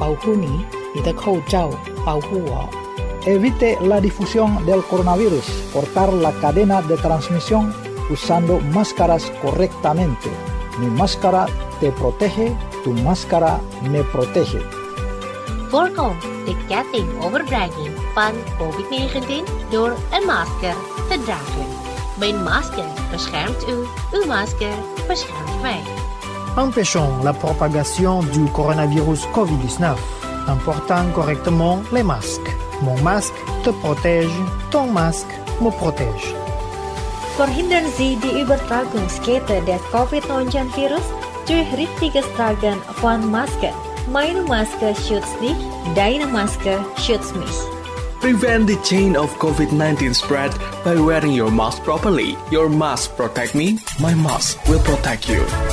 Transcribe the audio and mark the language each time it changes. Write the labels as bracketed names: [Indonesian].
[Chinese] 让正确佩戴口罩，以防止新型冠状病毒肺炎的传播。我的口罩保护你，你的口罩保护我。 [Spanish] Evite la difusión del coronavirus. Cortar la cadena de transmisión usando máscaras correctamente. Mi máscara te protege, tu máscara me protege. [Dutch] Voorkom de ketting overdragging van COVID-19 door een masker te dragen. Mijn masker beschermt u, uw masker beschermt mij. [French] Empêchons la propagation du coronavirus COVID-19 en portant correctement les masques. Mon masque te protège, ton masque me protège. [German] Verhindern Sie die Übertragungskette des COVID-19 Virus durch richtiges Tragen von Masken. Meine Maske schützt dich, deine Maske schützt mich. [English] Prevent the chain of COVID-19 spread by wearing your mask properly. Your mask protect me, my mask will protect you.